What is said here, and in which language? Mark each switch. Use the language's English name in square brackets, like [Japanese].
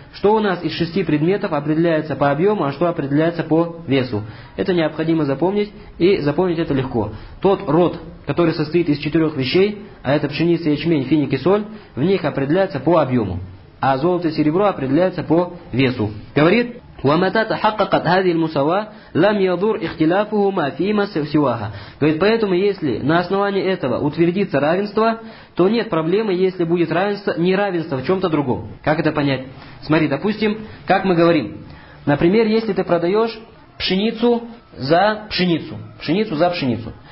[Russian] Что у нас из шести предметов определяется по объему, а что определяется по весу? Это необходимо запомнить, и запомнить это легко. Тот род, который состоит из четырех вещей, а это пшеница, ячмень, финик и соль, в них определяется по объему. А золото и серебро определяется по весу. [Arabic] Говорит, وَمَتَا تَحَقَّقَتْ هَذِي الْمُسَوَى لَمْ يَضُرْ إِخْتِلَافُهُمَا فِيمَا سِوَاهَا. [Russian] Говорит, поэтому если на основании этого утвердится равенство, то нет проблемы, если будет равенство, неравенство в чем-то другом. Как это понять? Смотри, допустим, как мы говорим. Например, если ты продаешь пшеницу за пшеницу. Пшеницу за пшеницу.